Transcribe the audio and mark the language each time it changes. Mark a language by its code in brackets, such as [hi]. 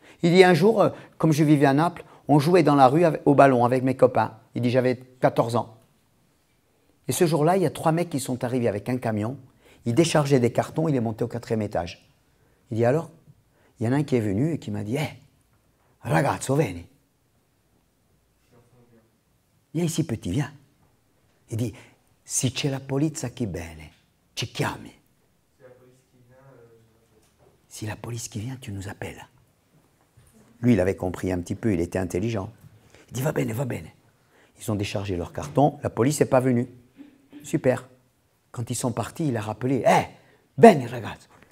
[fr] Il dit, un jour, comme je vivais à Naples, on jouait dans la rue au ballon avec mes copains. Il dit, j'avais 14 ans. Et ce jour-là, il y a trois mecs qui sont arrivés avec un camion. Ils déchargeaient des cartons, il est monté au quatrième étage. Il dit, alors, il y en a un qui est venu et qui m'a dit, [it] hey, ragazzo, vieni. [fr] Viens ici, petit, viens. Il dit, [it] si c'è la polizia qui bene, ci chiami. [fr] Si la police qui vient, tu nous appelles. Lui, il avait compris un petit peu, il était intelligent. Il dit, [it] va bene, va bene. [fr] Ils ont déchargé leur carton, la police n'est pas venue. Super. Quand ils sont partis, il a rappelé, hé, [it] bene, ragazzo.